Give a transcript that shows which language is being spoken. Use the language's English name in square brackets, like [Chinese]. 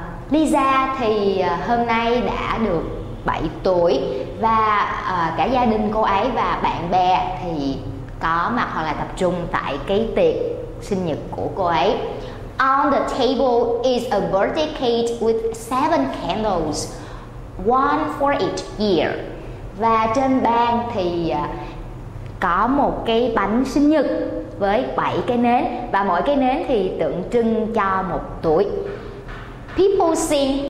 [Vietnamese] Lisa thì hôm nay đã được 7 tuổi và cả gia đình cô ấy và bạn bè thì có mặt hoặc là tập trung tại cái tiệc sinh nhật của cô ấy. [English] On the table is a birthday cake with 7 candles, one for each year. [Vietnamese] Và trên bàn thì có một cái bánh sinh nhật với 7 cái nến và mỗi cái nến thì tượng trưng cho một tuổi. [English] People sing